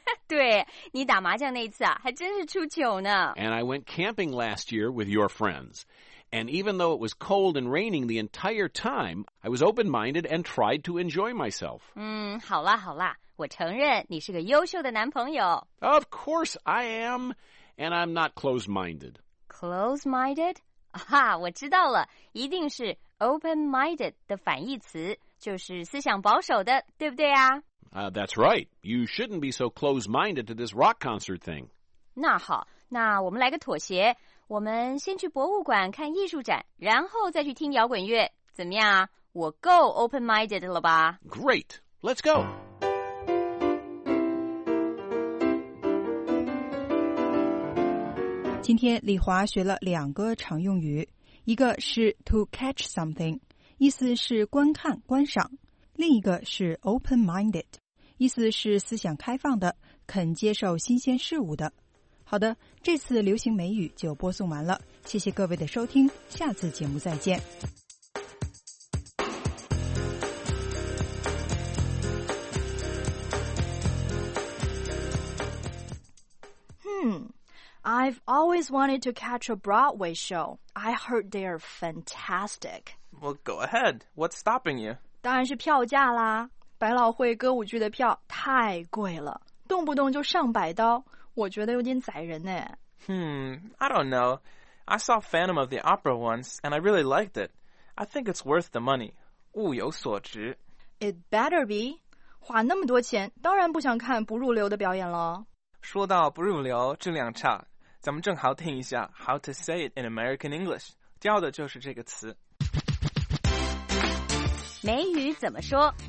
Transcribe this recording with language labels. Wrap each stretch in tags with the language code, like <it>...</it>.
<zh>对，你打麻将那次啊，还真是出糗呢。</zh> <en>And I went camping last year with your friends. And even though it was cold and raining the entire time, I was open-minded and tried to enjoy myself.</en> <zh>好啦好啦，我承认你是个优秀的男朋友。</zh> <en>Of course I am, and I'm not close-minded.</en> <zh>Close-minded? 啊，我知道了，一定是 open-minded 的反义词，就是思想保守的，对不对啊？</zh> <en>That's right. You shouldn't be so close-minded to this rock concert thing.</en> <zh>那好，那我们来个妥协。我们先去博物馆看艺术展，然后再去听摇滚乐，怎么样啊？我够 open-minded 了吧</zh> <en>？Great, let's go. Today,</en> <zh>Li Hua 学了两个常用语，一个是 to catch something， 意思是观看、观赏；另一个是 open-minded， 意思是思想开放的，肯接受新鲜事物的。好的，这次流行美语就播送完了，谢谢各位的收听，下次节目再见。</zh> <en>I've always wanted to catch a Broadway show. I heard they are fantastic. Well, go ahead. What's stopping you?</en> <zh>当然是票价啦，百老汇歌舞剧的票太贵了，动不动就上百刀。我觉得有点宰人呢。</zh> <en>I don't know. I saw Phantom of the Opera once, and I really liked it. I think it's worth the money.</en> <zh>物有所值。</zh> <en>It better be.</en> <zh>花那么多钱，当然不想看不入流的表演了。说到不入流，质量差，咱们正好听一下</zh> <en>How to say it in American English，</en> <zh>教的就是这个词。美语怎么说</zh>